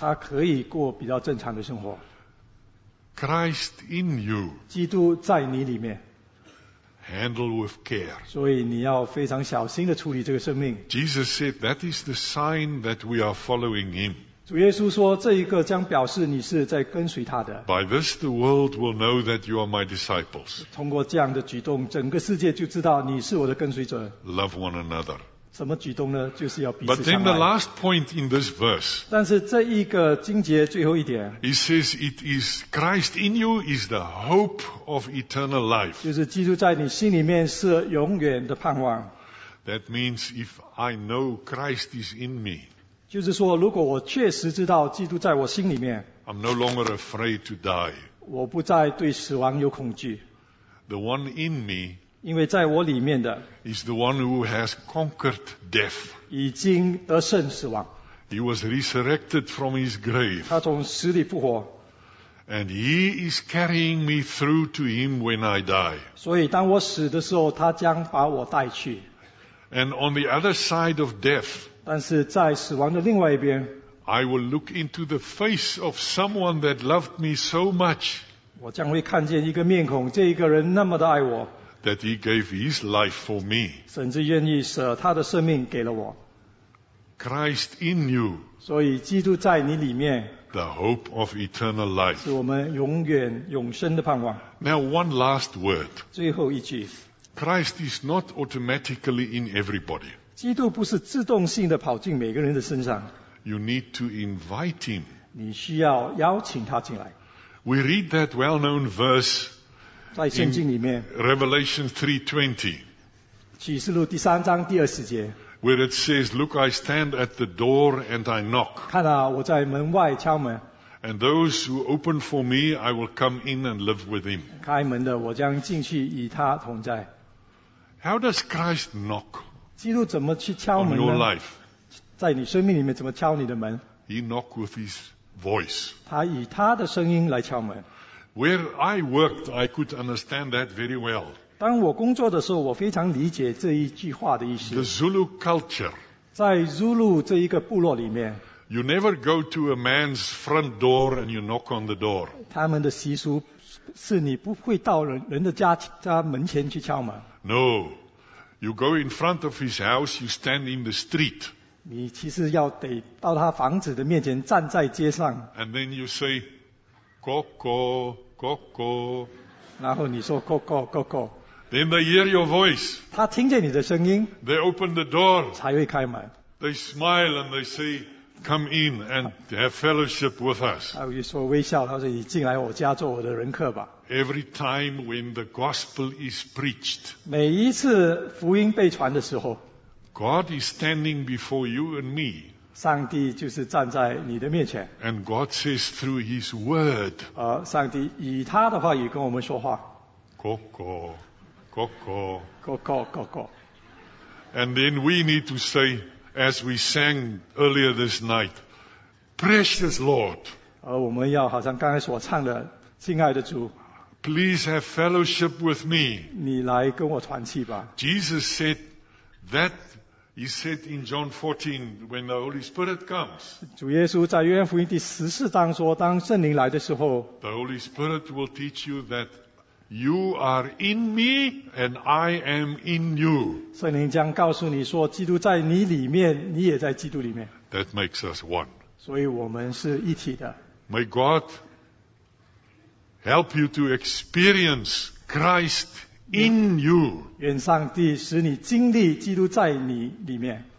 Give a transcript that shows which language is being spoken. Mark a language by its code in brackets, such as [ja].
[zh] 他可以过比较正常的生活。 [en] Christ in you. [zh] 基督在你里面。 [en] Handle with care. [zh] 所以你要非常小心地处理这个生命。 [en] Jesus said that is the sign that we are following him. [zh] 主耶稣说这一个将表示你是在跟随他的。 [en] By this the world will know that you are my disciples. [zh] 通过这样的举动整个世界就知道你是我的跟随者。 [en] Love one another. [zh] 什么举动呢就是要彼此相爱。 [en] But then the last point in this verse. [zh] 但是这一个经节最后一点。 [en] He says it is Christ in you is the hope of eternal life. [zh] 就是基督在你心里面是永远的盼望。 [en] That means if I know Christ is in me. [zh] 就是说如果我确实知道基督在我心里面。 [en] I'm no longer afraid to die. [zh] 我不再对死亡有恐惧。 [en] The one in me [zh] 因为在我里面的 [en] is the one who has conquered death. [zh] 已经得胜死亡。 [en] He was resurrected from his grave. [zh] 他从死里复活。 [en] And he is carrying me through to him when I die. [zh] 所以当我死的时候他将把我带去。 [en] And on the other side of death, [zh] 但是在死亡的另外一边 [en] I will look into the face of someone that loved me so much. [zh] 我将会看见一个面孔这一个人那么的爱我。 [en] That he gave his life for me. [zh] 甚至愿意舍他的生命给了我。 [en] Christ in you. [zh] 所以基督在你里面。 [en] The hope of eternal life. [zh] 是我们永远永生的盼望。 [en] Now one last word. [zh] 最后一句。 [en] Christ is not automatically in everybody. [zh] 基督不是自动性的跑进每个人的身上。 [en] You need to invite him. [zh] 你需要邀请他进来。 [en] We read that well-known verse. [zh] 在圣经里面 [en] Revelation 3:20 [zh] 启示录第三章第二十节 [en] Where it says Look I stand at the door and I knock [zh] 看啊我在门外敲门 [en] And those who open for me I will come in and live with him [zh] 开门的我将进去与他同在 [en] How does Christ knock [zh] 基督怎么去敲门呢 [en] On your life [zh] 在你生命里面怎么敲你的门 [en] He knock with his voice [zh] 他以他的声音来敲门 [en] Where I worked, I could understand that very well. [zh] 当我工作的时候，我非常理解这一句话的意思。 [en] The Zulu culture. [zh] 在 Zulu 这一个部落里面。 [en] You never go to a man's front door and you knock on the door. [zh] 他们的习俗是你不会到 人的家门前去敲门。 [en] No. You go in front of his house, you stand in the street. [zh] 你其实要得到他房子的面前站在街上。 [en] And then you say, Coco, Coco. [zh] 然后你说 Coco, Coco. [en] Then they hear your voice. [zh] 他听见你的声音。 [en] They open the door. [zh] 才会开门。 [en] They smile and they say, come in and have fellowship with us. [zh] 他会说微笑，他说你进来我家做我的人客吧。 [en] Every time when the gospel is preached. [zh] 每一次福音被传的时候。 [en] God is standing before you and me. [zh] 上帝就是站在你的面前。 [en] And God says through His Word. [zh] 上帝以他的话语跟我们说话。 Coco, Coco, Coco, Coco. [en] And then we need to say, as we sang earlier this night, Precious Lord. [zh] 我们要好像刚才所唱的，亲爱的主。 [en] Please have fellowship with me. [zh] 你来跟我团契吧。 [en] Jesus said. That he said in John 14, when the Holy Spirit comes. [zh] 主耶稣在约翰福音第十四章说，当圣灵来的时候。 [en] The Holy Spirit will teach you that you are in me and I am in you. [zh] 圣灵将告诉你说，基督在你里面，你也在基督里面。 [en] That makes us one. [zh] 所以我们是一体的。 [en] May God help you to experience Christ. In you, [zh] 愿上帝使你经历基督在你里面。